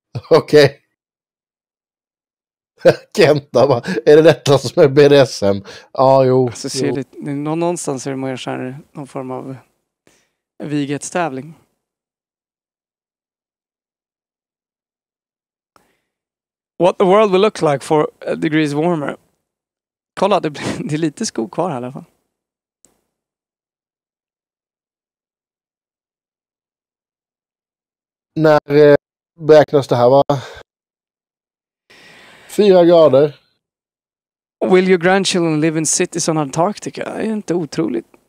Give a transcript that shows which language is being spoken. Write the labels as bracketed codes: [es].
[sv] Okej. Okay. Kenta bara, är det detta som är BDSM? Ja, ah, jo. Alltså, ser lite, någonstans är det mer så här någon form av vighetstävling. [en] What the world will look like for degrees warmer. [sv] Kolla, det är lite skog kvar här i alla fall. När beräknas det här va? 4 grader. [en] Will your grandchildren live in cities on Antarctica? [sv] Det är inte otroligt.